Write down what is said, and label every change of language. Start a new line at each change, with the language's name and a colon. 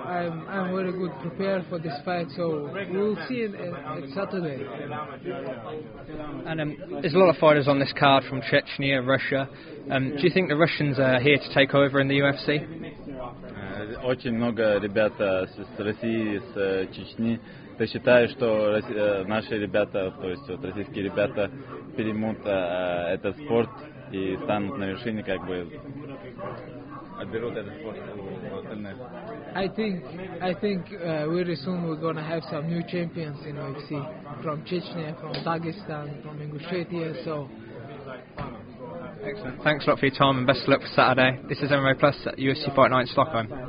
English: I'm very good prepared for this fight, so we'll see it at Saturday. And there's a lot of fighters on this card from Chechnya, Russia. Do you think the Russians are here to take over in the UFC?
Russian: Очень много ребят с России, с Чечни. Ты считаешь, что наши ребята, то есть вот российские ребята, перемут этот спорт и станут на вершине, как бы отберут этот спорт у остальных?
English: I think very soon we're gonna have some new champions in UFC from Chechnya, from Dagestan, from Ingushetia. So excellent. Thanks a lot for your time and best of luck for Saturday. This is MMA Plus at UFC Fight Night in Stockholm.